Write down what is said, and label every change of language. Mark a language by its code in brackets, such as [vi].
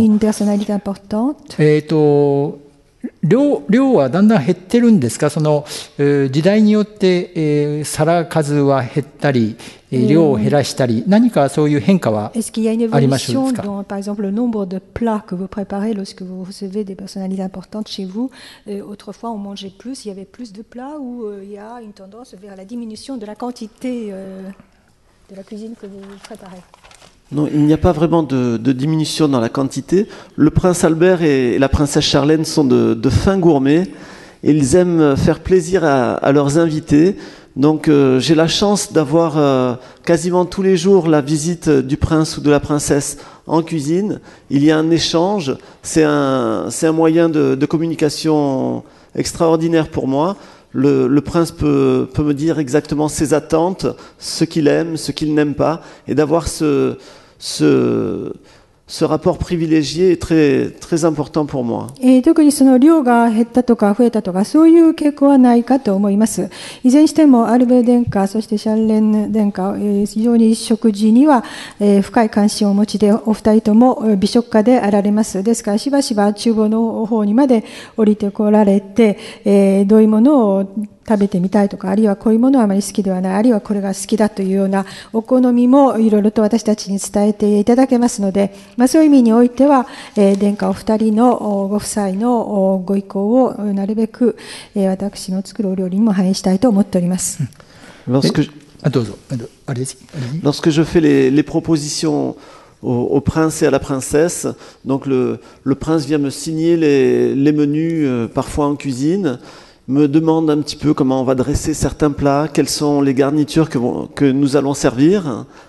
[ja] インパソナリティポット量はだんだん減ってるんですか？その、時代によって、皿数は減ったり、量を減らしたり、何かそういう変化はありましょうですか？ [fr] Dans, par exemple, le nombre de plats que vous préparez lorsque vous recevez des personnalités importantes chez vous, autrefois on mangeait plus, il y avait plus de plats, ou il y a une tendance vers la diminution de la quantité de la cuisine que vous préparez? Non, il n'y a pas vraiment de diminution dans la quantité. Le prince Albert et la princesse Charlène sont de fins gourmets. Ils aiment faire plaisir à leurs invités. Donc j'ai la chance d'avoir quasiment tous les jours la visite du prince ou de la princesse en cuisine. Il y a un échange. C'est un moyen de communication extraordinaire pour moi. Le prince peut me dire exactement ses attentes, ce qu'il aime, ce qu'il n'aime pas, et d'avoir ce rapport privilégié est très, très important pour moi. [ja] 特にその量が減ったとか増えたとか、そういう傾向はないかと思います。いずれにしても、アルベル殿下、そしてシャルレン殿下、非常に食事には深い関心をお持ちで、お二人とも美食家であられます。ですから、しばしば厨房の方にまで降りてこられて、どういうものを食べてみたいとか、あるいはこういうものはあまり好きではない、あるいはこれが好きだというようなお好みもいろいろと私たちに伝えていただけますので、まあ、そういう意味においては、殿下お二人のご夫妻のご意向をなるべく、私の作るお料理にも反映したいと思っております。 [fr] Lorsque [ja] どうぞ。 [fr] Lorsque je fais les propositions au prince et à la princesse. Donc le prince vient me signer les menus, parfois en cuisine, me demande un petit peu comment on va dresser certains plats, quelles sont les garnitures que nous allons servir.